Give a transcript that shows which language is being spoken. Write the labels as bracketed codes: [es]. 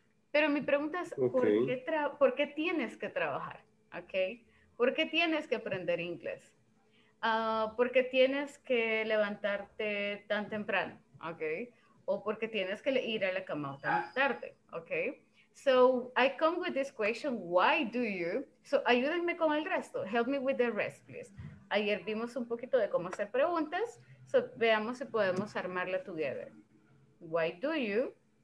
[es] Pero mi pregunta es, ¿por qué tienes que trabajar? ¿Ok? ¿Por qué tienes que aprender inglés? ¿Por qué tienes que levantarte tan temprano? Okay. ¿O por qué tienes que ir a la cama tan tarde? Okay. [en] So I come with this question, why do you? So [es] ayúdenme con el resto. [en] Help me with the rest, please. [es] Ayer vimos un poquito de cómo hacer preguntas. [en] So [es] veamos si podemos armarla [en] together. Why do you?